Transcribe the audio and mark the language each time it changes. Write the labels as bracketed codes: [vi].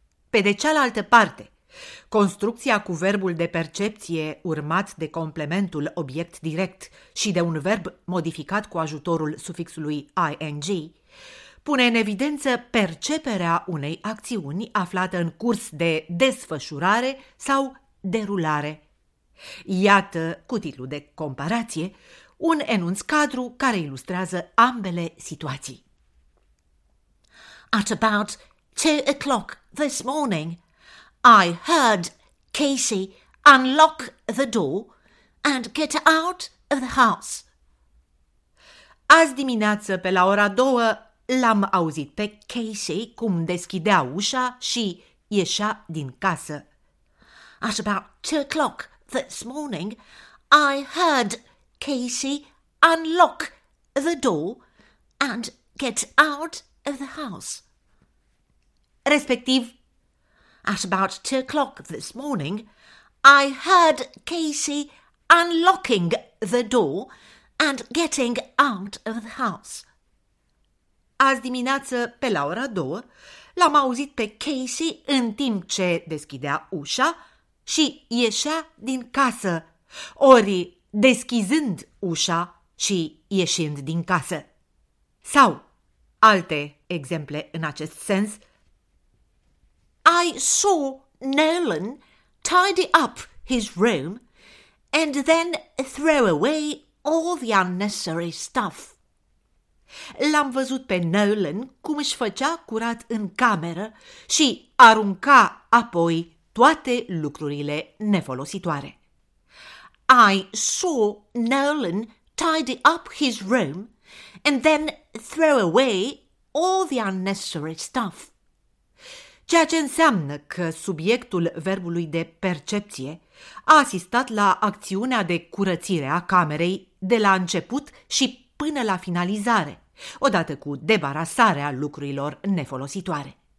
[ro] Pe de cealaltă parte, construcția cu verbul de percepție urmat de complementul obiect direct și de un verb modificat cu ajutorul sufixului ing pune în evidență perceperea unei acțiuni aflată în curs de desfășurare sau derulare. Iată, cu titlu de comparație, un enunț cadru care ilustrează ambele situații. [en] At about 2 o'clock this morning, I heard Casey unlock the door and get out of the house. [ro] Azi dimineață, pe la ora 2, l-am auzit pe Casey cum deschidea ușa și ieșea din casă. [en] At about 2 o'clock this morning, I heard Casey unlock the door and get out of the house. [ro] Respectiv, [en] at about 2 o'clock this morning, I heard Casey unlocking the door and getting out of the house. [ro] Azi dimineață, pe la ora 2, l-am auzit pe Casey în timp ce deschidea ușa și ieșea din casă, ori deschizând ușa și ieșind din casă. Sau alte exemple în acest sens. [en] I saw Nolan tidy up his room and then throw away all the unnecessary stuff. [ro] L-am văzut pe Nolan cum își făcea curat în cameră și arunca apoi toate lucrurile nefolositoare. [en] I saw Nolan tidy up his room and then throw away all the unnecessary stuff. [ro] Ceea ce înseamnă că subiectul verbului de percepție a asistat la acțiunea de curățire a camerei de la început și până la finalizare, odată cu debarasarea lucrurilor nefolositoare.